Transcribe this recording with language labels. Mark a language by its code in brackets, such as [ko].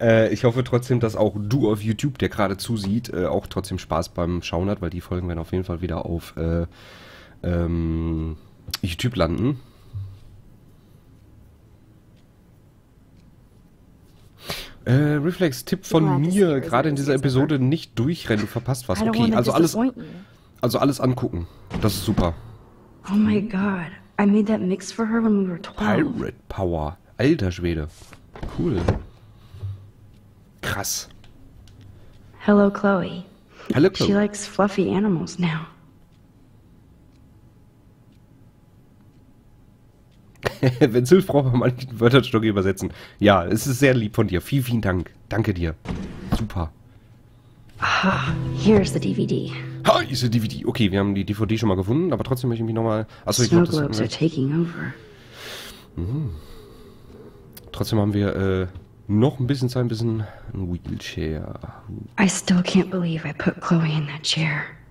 [de] ich hoffe trotzdem, dass auch du auf YouTube, der gerade zusieht, auch trotzdem Spaß beim Schauen hat, weil die Folgen werden auf jeden Fall wieder auf YouTube landen. Reflex, Tipp von mir, gerade in dieser Episode nicht durchrennen, du verpasst was. Okay, also alles angucken. Das ist super. [en] Oh my god, I made that mix for her when we were 12. [de] Pirate Power. Alter Schwede. Cool. Krass. [en] Hello Chloe. Hello Chloe. She likes fluffy animals now. [de] Wenn es hilft, braucht man mal die Wörterstöcke übersetzen. Ja, es ist sehr lieb von dir. Vielen, vielen Dank. Danke dir. Super. [en] Aha, here's the DVD. [de] Ha, hier ist die DVD. Okay, wir haben die DVD schon mal gefunden, aber trotzdem möchte ich mich nochmal... Achso, ich glaube, das... [en] Snow globes are taking over. Mhm. [de] Trotzdem haben wir noch ein bisschen Zeit, ein bisschen ein Wheelchair. [en] I still can't believe I put Chloe in that chair.